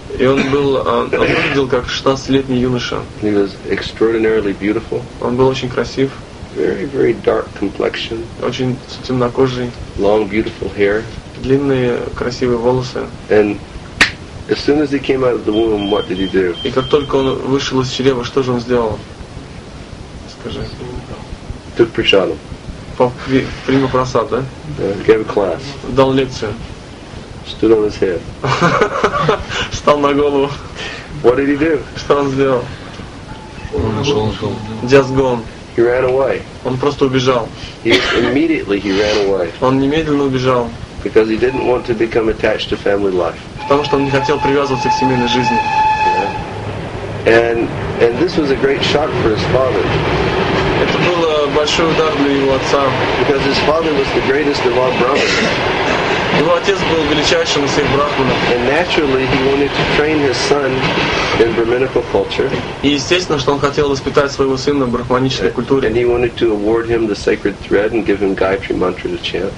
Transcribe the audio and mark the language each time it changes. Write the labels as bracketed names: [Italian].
[Russian] И он был, он выглядел как 16-летний юноша. [English] He was extraordinarily beautiful. [Russian] Он был очень красив. [English] Very, very dark complexion. [Russian] Очень темнокожий. [English] Long, beautiful hair. [Russian] Длинные красивые волосы. [English] And as soon as he came out of the womb, what did he do? [Russian] И как только он вышел из чрева, что же он сделал? Скажи. [English] Took prasadam. [Russian] Принял просад, да? [English] Gave a class. [Russian] Дал лекцию. [English] Stood on his head. [Russian] Встал на голову. [English] What did he do? [Russian] Что он сделал? [English] Just gone. He ran away. [Russian] Он просто убежал. [English] Immediately he ran away. [Russian] Он немедленно убежал. [English] Because he didn't want to become attached to family life. [Russian] Потому что он не хотел привязываться к семейной жизни. [English] And this was a great shock for his father. [Russian] Это был большой удар для его отца. [English] Because his father was the greatest of all brahmins. [Russian] Его отец был величайшим из всех брахманов. [English] And naturally he wanted to train his son in brahminical culture. [Russian] И естественно, что он хотел воспитать своего сына в брахманической культуре. [English] And he wanted to award him the sacred thread and give him Gayatri mantra to chant.